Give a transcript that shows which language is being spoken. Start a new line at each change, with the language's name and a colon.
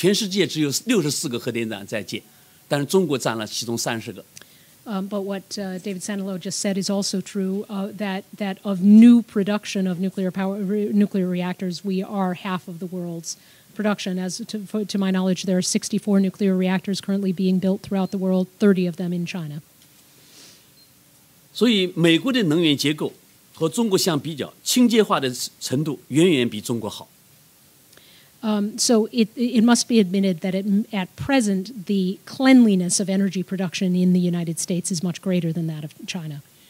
Chinese: 但是刚才David Sandlow先生说，中国在建的核电站占世界的将近一半，这是真的，因为中国现在在建的核电站有30个，全世界只有64个核电站在建。但是中国占了其中30个。
English: But what David Sandlow just said is also true, that of new production of nuclear reactors, we are half of the world's production. As to my knowledge, there are 64 nuclear reactors currently being built throughout the world, 30 of them in China.
Chinese: 所以美国的能源结构和中国相比较，清洁化的程度远远比中国好。
English: So it must be admitted that at present, the cleanliness of energy production in the United States is much greater than that of China.